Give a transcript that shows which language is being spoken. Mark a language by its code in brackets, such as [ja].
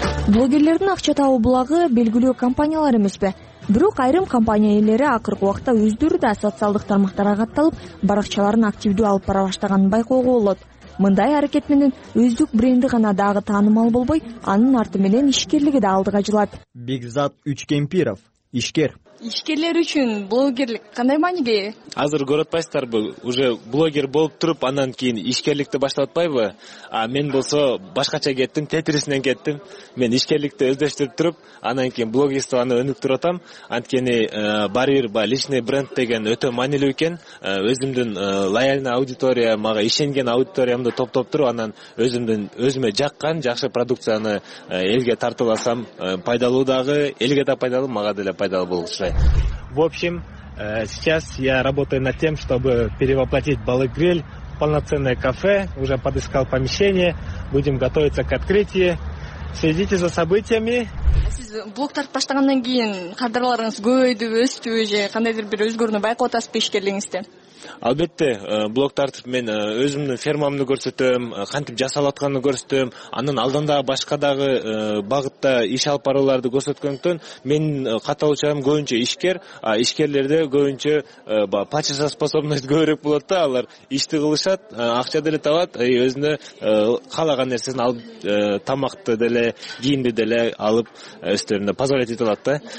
[ky] Блогерлердин акча табуу булагы белгилүү компаниялар эмеспи? Бирок айрым компания ээлери акыркы убакта өздөрү да социалдык тармактарга катталып, баракчаларын активдүү алып бара баштаганын байкоого болот. Мындай аракет менен өздүк бренди гана дагы таанымал болбой, анын арты менен ишкерлиги да алдыга жылат. Бекзат Үчкемпиров, ишкер. Ишкерлер үчүн блогерлик кандай мааниге ээ? Азыр көрүп атпайсыздарбы, уже блогер болуп туруп, андан кийин ишкерликти баштап атпайбы? А мен болсо башкача кеттим, тетирисинен кеттим. Мен ишкерликти өздөштүрүп туруп, андан кийин блогерствону өнүктүрүп атам. Анткени баары бир баягы [ru] личный бренд [ky] деген өтө маанилүү экен. Өзүмдүн [ru] лояльный аудитория, [ky] мага ишенген аудиториямды топтоп туруп, анан өзүмө жаккан жакшы продукцияны элге тартууласам пайдалуу дагы, элге да пайдалуу, мага деле пайдалуу болот. [ru] В общем, сейчас я работаю над тем, чтобы перевоплотить Балык-Гриль в полноценное кафе. Уже подыскал помещение. Будем готовиться к открытию. Следите за событиями. [ky] Сиз блог тартып баштагандан кийин кадрларыңыз көбөйдүбү, өстүбү же кандайдыр бир өзгөрүүнү байкап атасызбы ишкерлигиңизде? Албетте, блог тартып мен өзүмдүн фермамды көрсөтөм, кантип жасалып атканын көрсөтөм, анын алдан дагы башка дагы багытта иш алып барууларды көрсөткөндүктөн менин катталуучуларым көбүнчө ишкер, а ишкерлерде көбүнчө баягы пача со способность көбүрөөк болот да, алар ишти кылышат, акча деле табат, өзүнө каалаган нерсесин алып, тамакты деле, кийимди деле алып өздөрүнө [ru] позволять [ky] этип алат да.